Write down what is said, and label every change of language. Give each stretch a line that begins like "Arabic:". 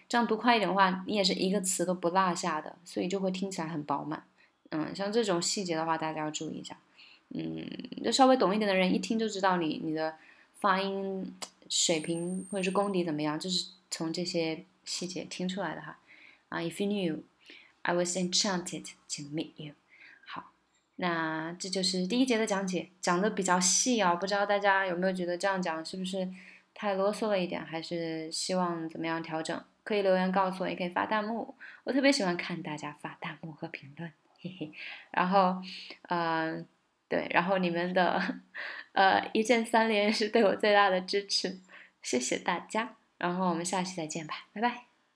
Chinese: 这样读快一点的话，你也是一个词都不落下的，所以就会听起来很饱满。像这种细节的话大家要注意一下。就稍微懂一点的人一听就知道你的发音水平或者是功底怎么样，就是从这些细节听出来的哈。
English: If you knew, I was enchanted to meet you.
Chinese: 好，那这就是第一节的讲解，讲的比较细啊，不知道大家有没有觉得这样讲是不是太啰嗦了一点，还是希望怎么样调整，可以留言告诉我，也可以发弹幕，我特别喜欢看大家发弹幕和评论，嘿嘿。然后对，然后你们的一键三连是对我最大的支持，谢谢大家，然后我们下期再见吧，拜拜。